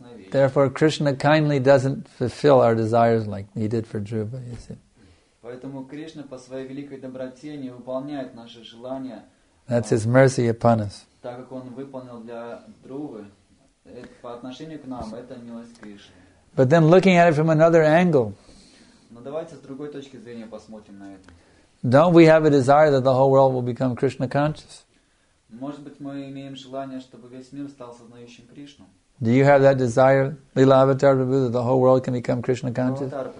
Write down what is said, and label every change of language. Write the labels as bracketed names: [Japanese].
[English] Therefore, Krishna kindly doesn't fulfill our desires like he did for Dhruva, you see. [Russian] Поэтому Кришна по своей великой доброте не выполняет наши желания. [English] That's his mercy upon us. [Russian] Так как он выполнил для Друвы, по отношению к нам, это милость Кришны. [English] But then looking at it from another angle. [Russian] Но давайте с другой точки зрения посмотрим на это. [English] Don't we have a desire that the whole world will become Krishna conscious? [Russian] Может быть, мы имеем желание, чтобы весь мир стал сознающим Кришну? [English] Do you have that desire, Lila Avatar Prabhu, that the whole world can become Krishna conscious?